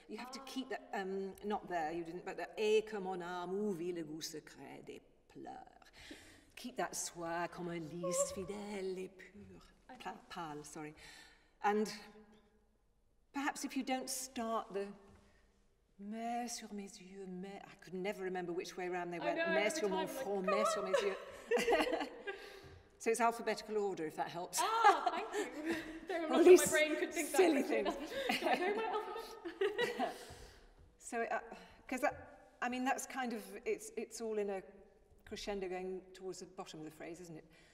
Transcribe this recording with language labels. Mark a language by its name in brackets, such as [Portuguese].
[English] You have to keep that, not there, you didn't, but the [French] et que mon âme ouvit le goût secret des pleurs. [English] keep that [French] soir comme un lys fidèle et pur. Pâle, [English] sorry. And perhaps if you don't start the [French] mer sur mes yeux, [English] mer, I could never remember which way around they went. [French] Mer sur mon front, mer sur mes yeux. [English] So it's alphabetical order, if that helps. Ah, thank you. Very much that my brain could think that. Silly thing. Can I know my alphabet? So, because I mean, that's kind of, it's all in a crescendo going towards the bottom of the phrase, isn't it?